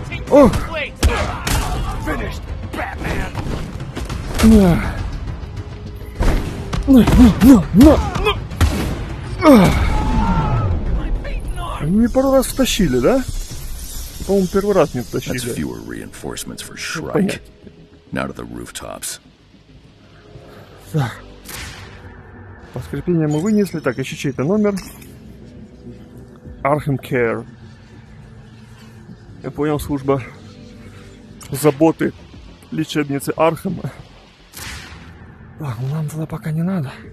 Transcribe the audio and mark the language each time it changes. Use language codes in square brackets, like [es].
[ru] Ох! Они меня пару раз втащили, да? По-моему, первый раз не втащили. [en] That's fewer reinforcements for Shrike. Now to the rooftops. [ru] Так. По скрипению мы вынесли. Так, еще чей-то номер. Arkham Care. Я понял, служба заботы лечебницы Архема. Ладно, нам туда пока не надо.